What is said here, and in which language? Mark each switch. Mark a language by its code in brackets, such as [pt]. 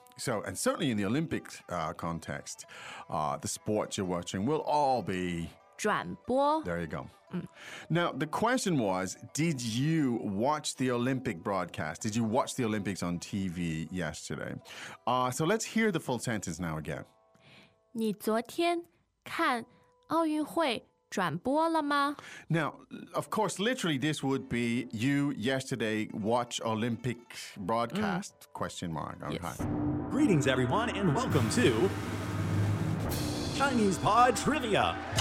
[en] So, and certainly in the Olympic context, the sports you're watching will all be [zh] 转播. [en] There you go. Mm. Now, the question was, did you watch the Olympic broadcast? Did you watch the Olympics on TV yesterday? So let's hear the full sentence now again. [zh] 你昨天看奥运会转播了吗? [en] Now, of course, literally this would be you yesterday watch Olympic broadcast, question mark. Okay. Yes. Greetings, everyone, and welcome to Chinese Pod Trivia.